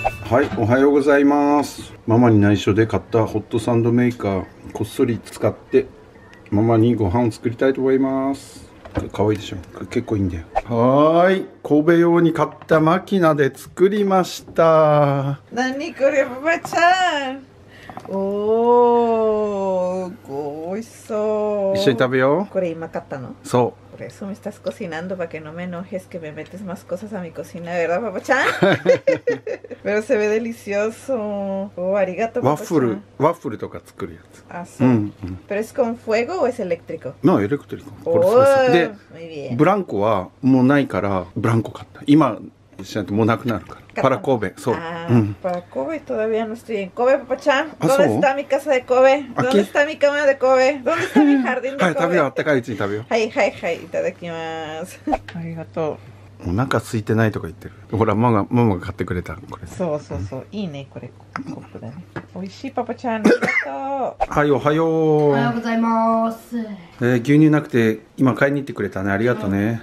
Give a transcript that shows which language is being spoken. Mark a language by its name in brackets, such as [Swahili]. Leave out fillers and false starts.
[Japanese] はい、おはようございます。ママに内緒で買ったホットサンドメーカーこっそり使ってママにご飯を作りたいと思います。可愛いでしょ、結構いいんだよ。はーい、神戸用に買ったマキナで作りました。なにこれ、ママちゃん、おー、ごー、美味しそう。一緒に食べよう。これ今買ったの？そう。 [Spanish] Por eso me estás cocinando para que no me enojes que me metes más cosas a mi cocina, ¿verdad, papachán? Pero se ve delicioso. Oh, arigato, papachán. [Japanese] Waffle とか作るやつ。 [Spanish] Ah, sí. Mm-hmm. ¿Pero es con fuego o es eléctrico? No, eléctrico. Oh, por supuesto. Muy bien. [Japanese] Blanco はもうないからブランコ買った。今しないともうなくなるから。 [Spanish] Para Kobe, [Japanese] そう。 [Spanish] Ah, para Kobe todavía no estoy en Kobe, papachán. ¿Dónde está mi casa de Kobe? ¿Dónde está mi cama de Kobe? ¿Dónde está mi jardín de Kobe? [Japanese] はい、食べよう。あったかいうちに食べよう。はい、はい、はい。いただきます。ありがとう。お腹空いてないとか言ってる。ほら、ママが買ってくれたこれ。そうそうそう、いいね、これ。コップだね。おいしい、パパちゃん。ありがとう。はい、おはよう。おはようございます。牛乳なくて、今買いに行ってくれたね。ありがとうね。